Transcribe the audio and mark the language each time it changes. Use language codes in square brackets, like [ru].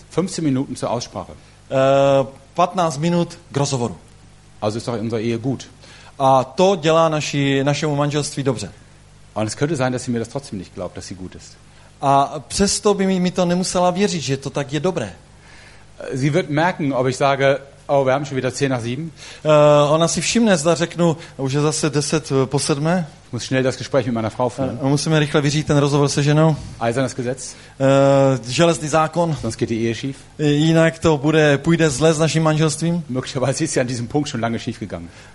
[de] 15 Minuten zur Aussprache. [cs] 15 minut k rozhovoru. [de] Also ist doch unsere Ehe gut. [cs] A to dělá našemu manželství dobře. [de] Und es könnte sein, dass sie mir das trotzdem nicht glaubt, dass sie gut ist. [cs] A přesto by mi to nemusela věřit, že to tak je dobré. [de] Sie wird merken, ob ich sage, oh, wir haben schon wieder 10 nach 7. [cs] Ona si všimne, zda řeknu, už je zase 10 po 7. [de] Ich muss schnell das Gespräch mit meiner Frau führen. [cs] Musíme rychle vyřídit ten rozhovor se ženou. [de] Eisernes Gesetz. [cs] Železný zákon. [de] Sonst geht die Ehe schief. [cs] Jinak to bude, půjde zle s naším manželstvím. [de] Möglicherweise ist sie an diesem Punkt schon lange schief gegangen.